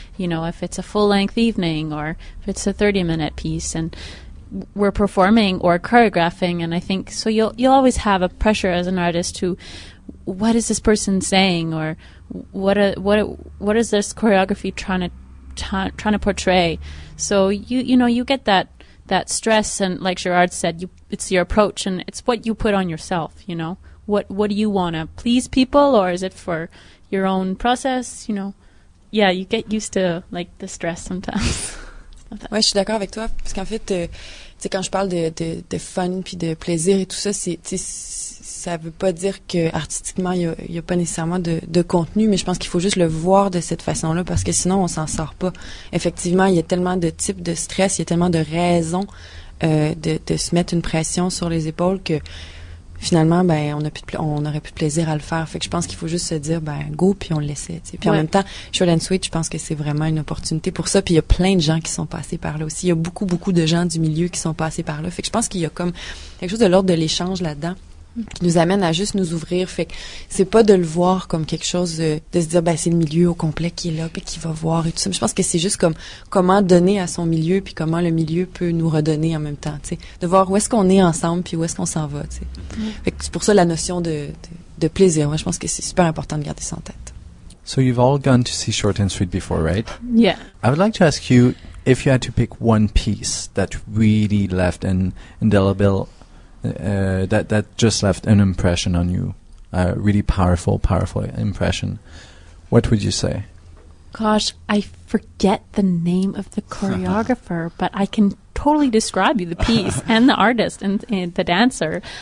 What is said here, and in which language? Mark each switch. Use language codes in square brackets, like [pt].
[en] You know, if it's a full length evening or if it's a 30 minute piece, and we're performing or choreographing, and I think so you'll always have a pressure as an artist to what is this person saying, or what is this choreography trying to portray. So you know you get that that stress, and like Gerard said, you, it's your approach and it's what you put on yourself, you know. What do you want to please people, or is it for your own process, you know? Yeah, you get used to like the stress sometimes. [fr] Ouais, je suis d'accord avec toi parce qu'en fait, tu sais, quand je parle de fun puis de plaisir et tout ça, c'est, tu sais, ça veut pas dire que artistiquement y a pas nécessairement de contenu, mais je pense qu'il faut juste le voir de cette façon-là parce que sinon on s'en sort pas. Effectivement, il y a tellement de types de stress, il y a tellement de raisons de se mettre une pression sur les épaules que finalement, ben, on aurait plus de plaisir à le faire. Fait que je pense qu'il faut juste se dire, ben, go, puis on le laissait. T'sais. Puis ouais. En même temps, Short and Sweet, je pense que c'est vraiment une opportunité pour ça. Puis il y a plein de gens qui sont passés par là aussi. Il y a beaucoup, beaucoup de gens du milieu qui sont passés par là. Fait que je pense qu'il y a comme quelque chose de l'ordre de l'échange là-dedans qui nous amène à juste nous ouvrir. Fait que c'est pas de le voir comme quelque chose de se dire, ben, c'est le milieu au complet qui est là, puis qui va voir et tout ça. Mais je pense que c'est juste comme comment donner à son milieu, puis comment le milieu peut nous redonner en même temps, tu sais. De voir où est-ce qu'on est ensemble, puis où est-ce qu'on s'en va, tu sais. Mm-hmm. Fait que c'est pour ça la notion de plaisir. Moi, je pense que c'est super important de garder ça en tête. [en] So you've all gone to see Short and Sweet before, right? Yeah. I would like to ask you if you had to pick one piece that really left an indelible... That just left an impression on you, a really powerful impression. What would you say? Gosh, I forget the name of the choreographer, but I can totally describe you the piece and the artist and the dancer.